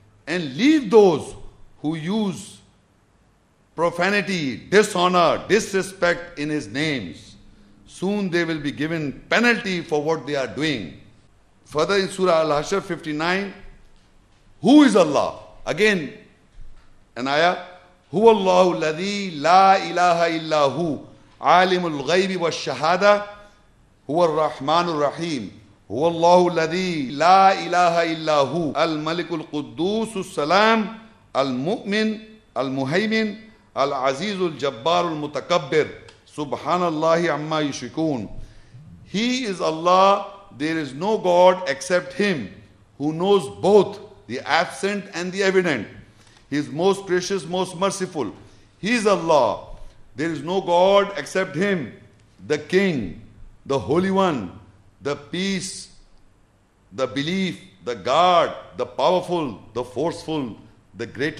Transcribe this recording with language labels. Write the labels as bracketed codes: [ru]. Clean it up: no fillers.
[en] And leave those who use profanity, dishonor, disrespect in His names. Soon they will be given penalty for what they are doing. Further in Surah Al-Hashr 59, who is Allah? Again, an ayah. [ar] هُوَ اللَّهُ الَّذِي لَا إِلَٰهَ إِلَّا هُوَ عَالِمُ الْغَيْبِ وَالشَّهَادَةِ هو الرحمن الرحيم هو الله الذي لا إله إلا هو الملك القدوس السلام المؤمن المهيمن العزيز الجبار المتكبر سبحان الله عما يشركون. [en] He is Allah, there is no God except Him who knows both the absent and the evident. He is most gracious, most merciful. He is Allah, there is no God except Him, the King, the Holy One, the Peace, the Belief, the God, the Powerful, the Forceful, the Great.